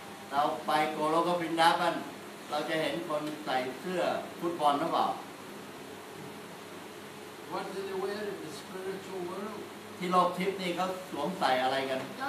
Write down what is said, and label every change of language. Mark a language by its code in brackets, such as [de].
[th] เราไปโกโลกวรินดาวันเราจะเห็นคนใส่เสื้อฟุตบอลหรือเปล่า [en] What do they wear in the spiritual world? [th] ที่โลกทิพย์นี่เขาสวมใส่อะไรกัน